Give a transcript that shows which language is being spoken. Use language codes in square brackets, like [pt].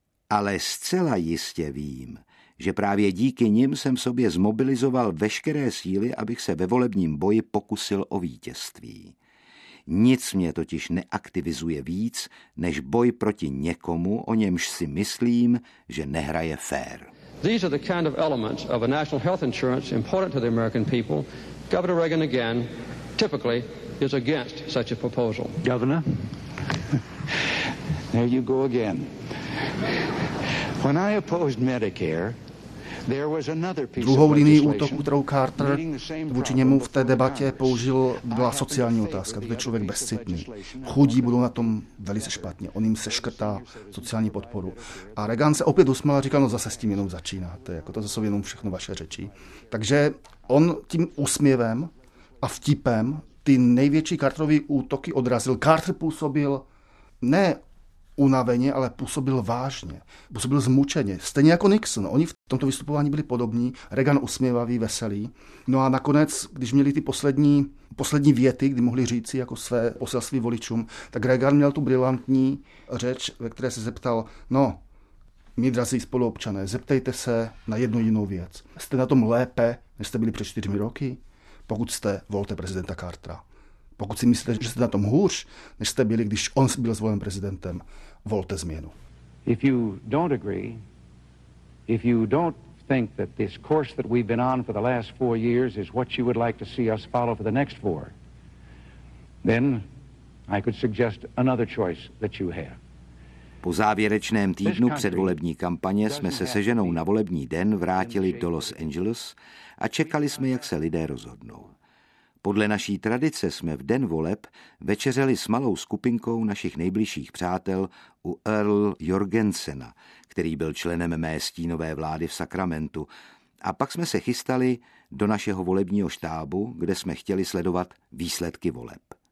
[cs] Ale zcela jistě vím, že právě díky nim jsem sobě zmobilizoval veškeré síly, abych se ve volebním boji pokusil o vítězství. Nic mě totiž neaktivizuje víc, než boj proti někomu, o němž si myslím, že nehraje fér. [en] These are the kind of elements of a national health insurance important to the American people. Governor Reagan again typically is against such a proposal. Governor, there you go again. When I opposed Medicare, [cs] druhou linii útoku, kterou Carter vůči němu v té debatě použil, byla sociální otázka, protože člověk bezcitný. Chudí budou na tom velice špatně, on jim seškrtá sociální podporu. A Reagan se opět usmál a říkal, no zase s tím jenom začínáte, jako to zase jenom všechno vaše řeči. Takže on tím úsměvem a vtipem ty největší Carterovy útoky odrazil. Carter působil ne unaveně, ale působil vážně, působil zmučeně, stejně jako Nixon. Oni v tomto vystupování byli podobní, Reagan usměvavý, veselý. No a nakonec, když měli ty poslední věty, kdy mohli říci jako své poselství voličům, tak Reagan měl tu brilantní řeč, ve které se zeptal, no, mí drazí spoluobčané, zeptejte se na jednu jinou věc. Jste na tom lépe, než jste byli před 4 roky? Pokud jste, volte prezidenta Cartera. Pokud si myslíte, že jste na tom hůř, než jste byli, když on byl zvolen prezidentem, volte změnu. [en] If you don't agree, if you don't think that this course that we've been on for the last 4 years is what you would like to see us follow for the next 4, then I could suggest another choice that you have. [cs] Po závěrečném týdnu předvolební kampaně jsme se ženou na volební den vrátili do Los Angeles a čekali jsme, jak se lidé rozhodnou. Podle naší tradice jsme v den voleb večeřeli s malou skupinkou našich nejbližších přátel u Earl Jorgensena, který byl členem mé stínové vlády v Sacramentu, a pak jsme se chystali do našeho volebního štábu, kde jsme chtěli sledovat výsledky voleb.